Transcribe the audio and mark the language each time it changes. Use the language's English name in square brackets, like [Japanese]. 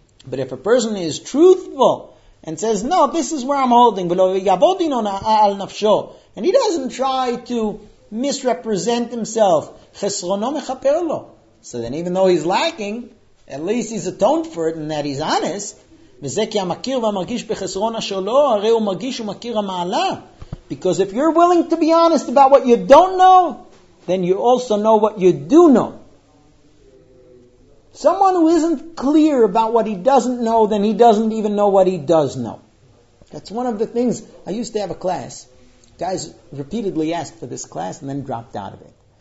[English] But if a person is truthful and says, no, this is where I'm holding. And he doesn't try to misrepresent himself. So then even though he's lacking, at least he's atoned for it and that he's honest. [Hebrew] וזה כי המכיר והמרגיש בחסרון השולו, הרי הוא מרגיש ומכיר המעלה. [English] Because if you're willing to be honest about what you don't know, then you also know what you do know. Someone who isn't clear about what he doesn't know, then he doesn't even know what he does know. That's one of the things. I used to have a class. Guys repeatedly asked for this class and then dropped out of it.